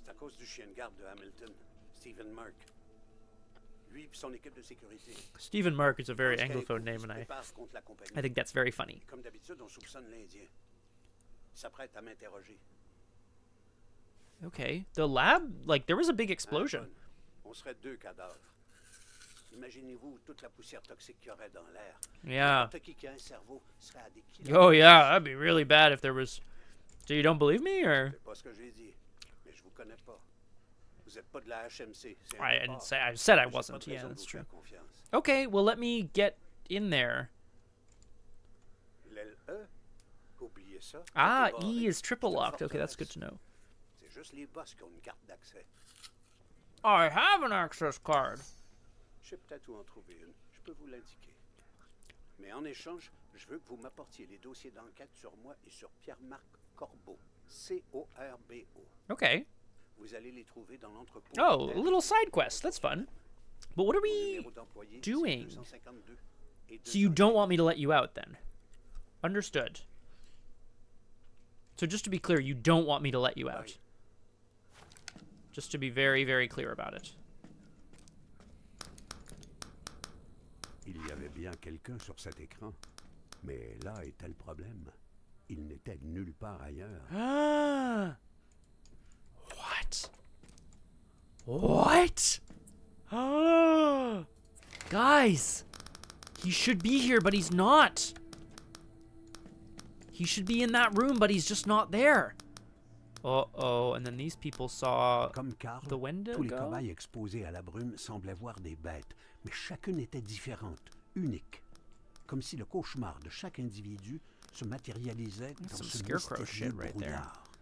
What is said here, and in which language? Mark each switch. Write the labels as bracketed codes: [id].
[fr] C'est à cause du chien de garde de Hamilton, Stephen Mark. Lui et son équipe de sécurité. [en] Stephen Mark is a very anglophone name, and I think that's very funny. [fr] Comme d'habitude, on soupçonne l'Indien. Il s'apprête à m'interroger. [en] Okay. The lab? Like, there was a big explosion. [fr] On serait deux cadavres. Imaginez-vous toute la poussière toxique qu'il y aurait dans l'air. [en] Yeah. [fr] Qui a un cerveau serait à des kilomètres. [en] Oh yeah, that'd be really bad if there was... So you don't believe me, or... [fr] C'est pas ce que j'ai dit, mais je vous connais pas. Vous êtes pas de la HMC. C'est [en] I didn't say, I said I wasn't. Yeah, that's true. [fr] Confiance. [en] Okay, well, let me get in there. [fr] L'aile E? Oubliez ça. [en] Ah, E is triple locked. Okay, that's good to know. [fr] C'est juste les boss qui ont une carte d'accès. [en] I have an access card. [fr] J'ai peut-être où en trouver une. Je peux vous l'indiquer. Mais en échange, je veux que vous m'apportiez les dossiers d'enquête sur moi et sur Pierre-Marc Corbeau. [en] C-O-R-B-O. Okay. [fr] Vous allez les trouver dans l'entrepôt. [en] Oh, a little side quest. That's fun. But what are we doing? So you don't want me to let you out then? Understood. So just to be clear, you don't want me to let you out. Right. Just to be very, very clear about it. [fr] Il y avait bien quelqu'un sur cet écran, mais là était le problème. Il n'était nulle part ailleurs. [en] Ah. What? What? Ah. Guys, he should be here, but he's not. He should be in that room, but he's just not there. Uh-oh, and then these people saw [fr] comme Carl, [en] the Wendigo? [fr] Tous les cobayes exposés à la brume semblaient voir des bêtes, mais chacune était différente, unique. Comme si le cauchemar de chaque individu se matérialisait dans ce mystérieux brouillard.